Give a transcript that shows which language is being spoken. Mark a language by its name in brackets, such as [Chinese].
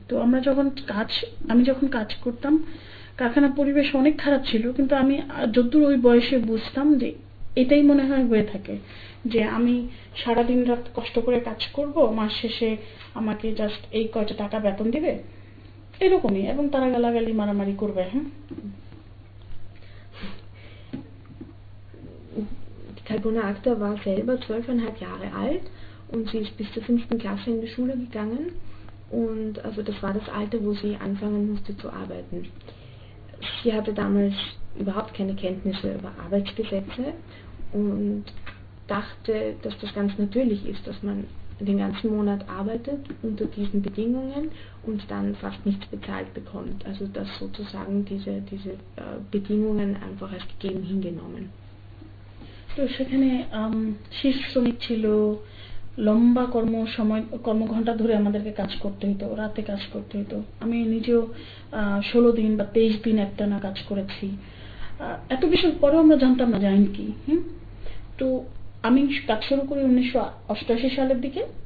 [Bangla] তো আমরা যখন আমি যখন কাজ করতাম কারখানার পরিবেশ অনেক খারাপ ছিল, কিন্তু আমি যদ্দূর ওই বয়সে বুঝতাম যে এটাই মনে হয় হয়ে থাকে যে আমি সারাদিন রাত কষ্ট করে কাজ করব, মাস শেষে আমাকে জাস্ট এই কয়টা টাকা বেতন দিবে এরকমই, এবং তারা গালাগালি মারামারি করবে। হ্যাঁ, [German] Kalbuna Akta war selber 12,5 Jahre alt und sie ist bis zur 5. Klasse in die Schule gegangen, und also das war das Alter, wo sie anfangen musste zu arbeiten. Sie hatte damals überhaupt keine Kenntnisse über Arbeitsgesetze und dachte, dass das ganz natürlich ist, dass man den ganzen Monat arbeitet unter diesen Bedingungen und dann fast nichts bezahlt bekommt. Also dass sozusagen diese Bedingungen einfach als gegeben hingenommen. [Bangla] তো সেখানে shift শ্রমিক ছিল, লম্বা কর্মঘণ্টা ধরে আমাদেরকে কাজ করতে হতো, রাতে কাজ করতে হতো। আমি নিজেও 16 দিন বা 23 দিন একটানা কাজ করেছি। এত বিষয় পরেও আমরা জানতাম না যাইন কি। তো আমি কাজ শুরু করি 1988 সালের দিকে।